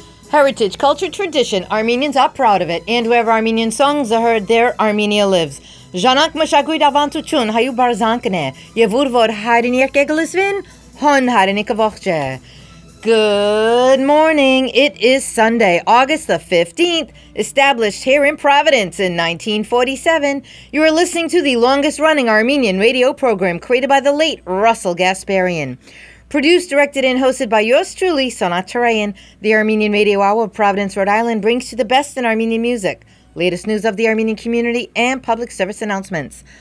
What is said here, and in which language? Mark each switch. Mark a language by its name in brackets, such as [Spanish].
[English] Heritage, culture, tradition. Armenians are proud of it. And wherever Armenian songs are heard, there Armenia lives. [Armenian] Ժանակ մշակույթ ավանդություն հայու բարձանքն է, եւ ուր որ հայրենի երկեգ լսվին, հոն հայրենիքը ողջ է. [English] Good morning, it is Sunday, August the 15th, established here in Providence in 1947. You are listening to the longest running Armenian radio program created by the late Russell Gasparian. Produced, directed, and hosted by yours truly, Sonat Tarayan, the Armenian Radio Hour of Providence, Rhode Island brings you the best in Armenian music, latest news of the Armenian community, and public service announcements.